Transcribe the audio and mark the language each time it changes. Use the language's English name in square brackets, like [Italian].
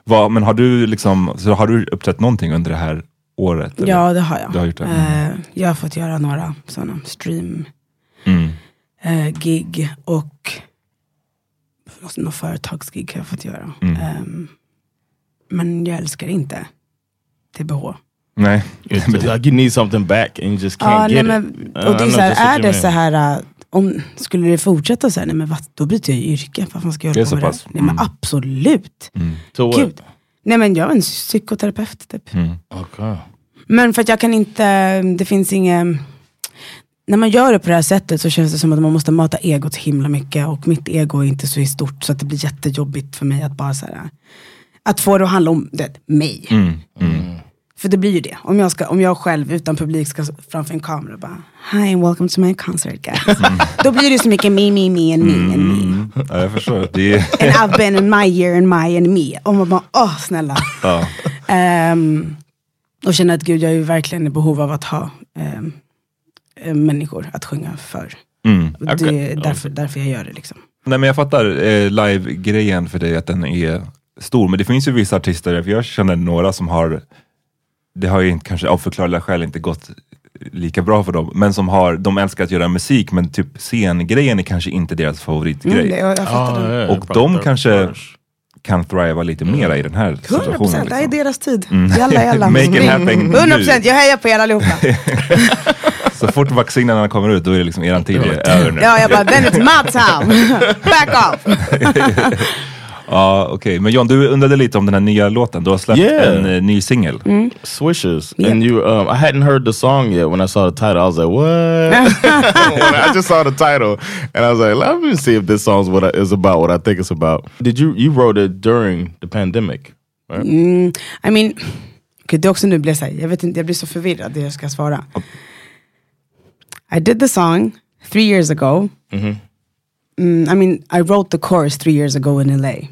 [Swedish] Men har du liksom, så har du uppträtt någonting under det här året? Eller? Ja, det har jag. Du har gjort det. Jag har fått göra några sådana stream gig och några företagsgig har jag fått göra. Mm. Men jag älskar inte TBH. Nej. [English] It's like you need something back and you just can't get [Swedish] men, [English] it. [Swedish] Och det är så här, är det så här om skulle det fortsätta så här, nej men vad, då bryter jag yrke, vad fan ska jag göra på det? Nej men absolut. Mm. Gud. Nej men jag är en psykoterapeut typ. Mm. Okay. Men för att jag kan inte, det finns ingen, när man gör det på det här sättet så känns det som att man måste mata egot himla mycket och mitt ego är inte så stort så att det blir jättejobbigt för mig att bara så här, att få det att handla om det, mig. För det blir ju det. Om jag själv utan publik ska framför en kamera och bara [English] hi, welcome to my concert guys. [Swedish] Då blir det så mycket [English] me and me. [Swedish] Ja, jag förstår. Det är... [English] And I've been in my year and my and me. [Swedish] Och man bara, åh, snälla. Ja. Och känner att gud, jag är ju verkligen i behov av att ha människor att sjunga för. Mm. Okay. Det är därför jag gör det liksom. Nej, men jag fattar live-grejen för dig att den är stor. Men det finns ju vissa artister, för jag känner några som har... Det har ju inte, kanske av förklarliga skäl inte gått lika bra för dem. Men som har, de älskar att göra musik, men typ scengrejen är kanske inte deras favoritgrej. Mm, jag fattar det. Och de kanske kan thriva lite mera i den här 100% situationen. 100%, liksom. Det är deras tid. Jalla. [English] Make it happen. [Swedish] 100%, jag hejar på er allihopa. Så fort vaccinerna kommer ut, då är det liksom eran tid. Ja, jag bara, [English] then it's my time. Back off. [Swedish] Ja, okej. Okay. Men John, du undrade lite om den här nya låten. Du har släppt en ny singel. Mm. [English] Swishes. Yeah. And you, I hadn't heard the song yet when I saw the title. I was like, what? I just saw the title. And I was like, let me see if this song is about what I think it's about. You wrote it during the pandemic, right? [Swedish] Mm, [English] I mean, okay, [Swedish] det också nu blir så här, jag vet inte, jag blir så förvirrad det jag ska svara. [English] I did the song 3 years ago. Mm-hmm. I mean, I wrote the chorus 3 years ago in LA.